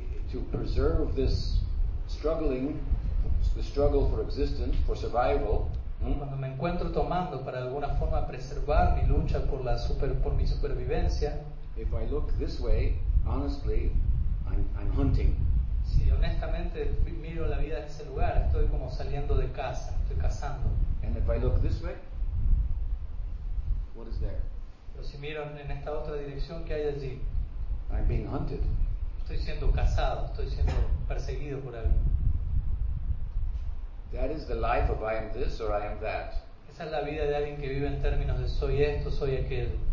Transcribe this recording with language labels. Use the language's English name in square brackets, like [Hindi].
[English] to preserve this struggling, the struggle for existence, for survival. [Spanish] Cuando me encuentro tomando para alguna forma preservar mi lucha por la super, por mi supervivencia. [English] If I look this way, honestly, I'm hunting. [Spanish] Si honestamente miro la vida de ese lugar, estoy como saliendo de casa, estoy cazando. [English] And if I look this way, what is there? [Spanish] Pero si miro en esta otra dirección, ¿qué hay allí? [English] I'm being hunted. [Spanish] Estoy siendo cazado, estoy siendo perseguido por alguien. [English] That is the life of I am this or I am that. [Spanish] Esa es la vida de alguien que vive en términos de soy esto, soy aquel.